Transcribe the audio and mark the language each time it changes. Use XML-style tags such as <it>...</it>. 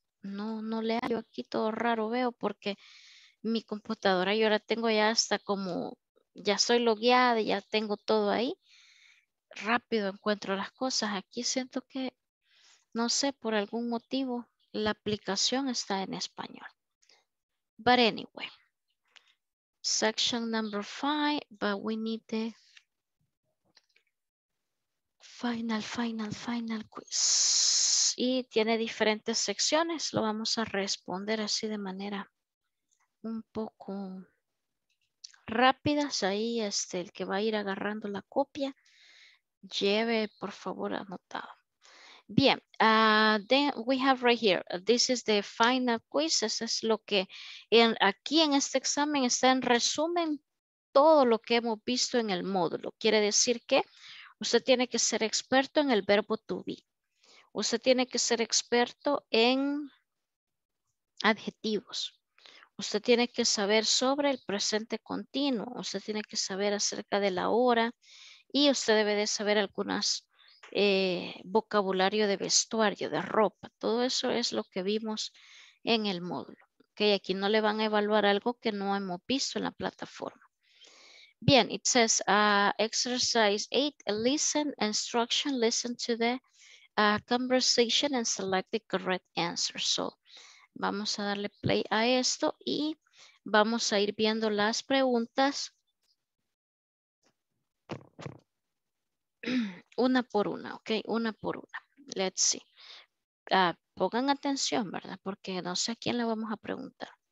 <es>No le hago aquí, todo raro veo porque mi computadora yo la tengo ya hasta como, ya soy logueada y ya tengo todo ahí. Rápido encuentro las cosas. Aquí siento que, no sé, por algún motivo, la aplicación está en español.</es> <en>But anyway, section number 5, but we need the final quiz.</en> <es>Y tiene diferentes secciones. Lo vamos a responder así de manera un poco rápida. Ahí el que va a ir agarrando la copia. Lleve, por favor, anotado. Bien,</es> <en>then we have right here. This is the final quiz.</en> <es>Eso es lo que aquí en este examen está en resumen todo lo que hemos visto en el módulo. Quiere decir que usted tiene que ser experto en el verbo to be. Usted tiene que ser experto en adjetivos. Usted tiene que saber sobre el presente continuo. Usted tiene que saber acerca de la hora. Y usted debe de saber algunas vocabulario de vestuario, de ropa. Todo eso es lo que vimos en el módulo. ¿Okay? Aquí no le van a evaluar algo que no hemos visto en la plataforma. Bien,</es> <en>it says exercise 8, listen, instruction, listen to the conversation and select the correct answer.</en> <es>So, vamos a darle play a esto y vamos a ir viendo las preguntas una por una, ok, una por una.</es> <en>Let's see.</en> <es>Pongan atención, ¿verdad? Porque no sé a quién le vamos a preguntar.</es>